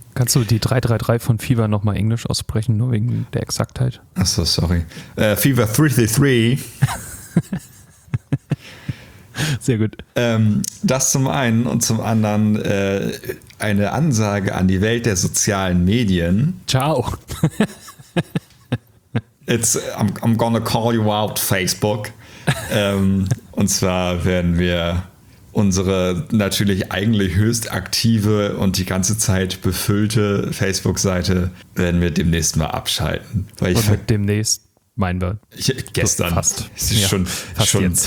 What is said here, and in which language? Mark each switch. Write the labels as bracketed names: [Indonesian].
[German] Kannst du die 333 von Fever nochmal englisch aussprechen, nur wegen der Exaktheit? Achso, sorry. Fever 333. Sehr gut. Das zum einen und zum anderen eine Ansage an die Welt der sozialen Medien. Ciao. [English] I'm gonna call you out, Facebook. [German] Und zwar werden wir unsere natürlich eigentlich höchst aktive und die ganze Zeit befüllte Facebook-Seite werden wir demnächst mal abschalten. Weil ich und demnächst. Meinen wir. Gestern. Fast. Es ist schon, ja, fast schon jetzt.